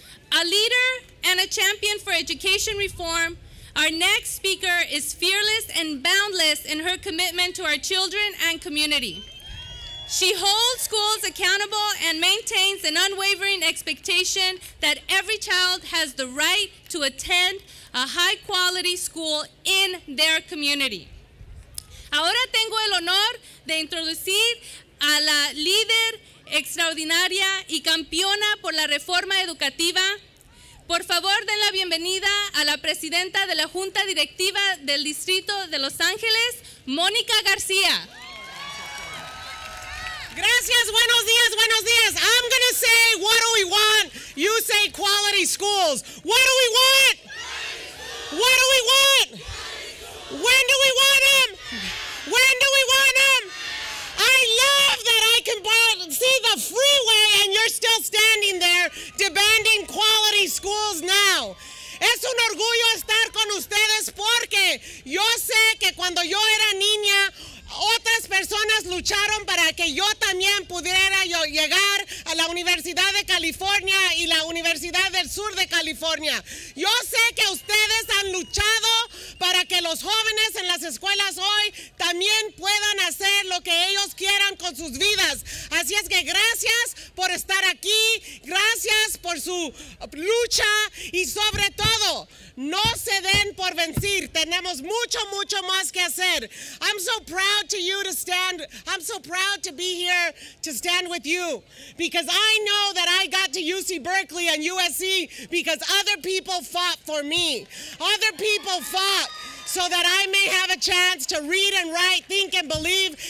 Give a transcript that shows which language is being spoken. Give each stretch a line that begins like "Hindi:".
English: A leader and a champion for education reform, our next speaker is fearless and boundless in her commitment to our children and community. She holds schools accountable and maintains an unwavering expectation that every child has the right to attend a high-quality school in their community.
Spanish: Ahora tengo el honor de introducir a la líder extraordinaria y campeona por la reforma educativa. Por favor, den la bienvenida a la presidenta de la Junta Directiva del Distrito de Los Ángeles, Mónica García. Gracias, buenos días, buenos días.
English: I'm gonna say, what do we want? You say quality schools. What do we want? What do we want? When do we want them? When do we want them? I love that I can see the freeway and you're still standing there demanding quality schools now.
Spanish: Es un orgullo estar con ustedes porque yo sé que cuando yo era niña, otras personas lucharon para que yo también pudiera llegar a la Universidad de California y la Universidad del Sur de California. Yo sé que ustedes han luchado para que los jóvenes en las escuelas hoy también puedan hacer lo que ellos quieran con sus vidas. Así es que gracias por estar aquí, gracias por su lucha y sobre todo, no se den por vencer. Tenemos mucho, mucho más que hacer.
English: I'm so proud to you to stand. I'm so proud to be here to stand with you because I know that I got to UC Berkeley and USC because other people fought for me. Other people fought so that I may have a chance to read and write, think and believe.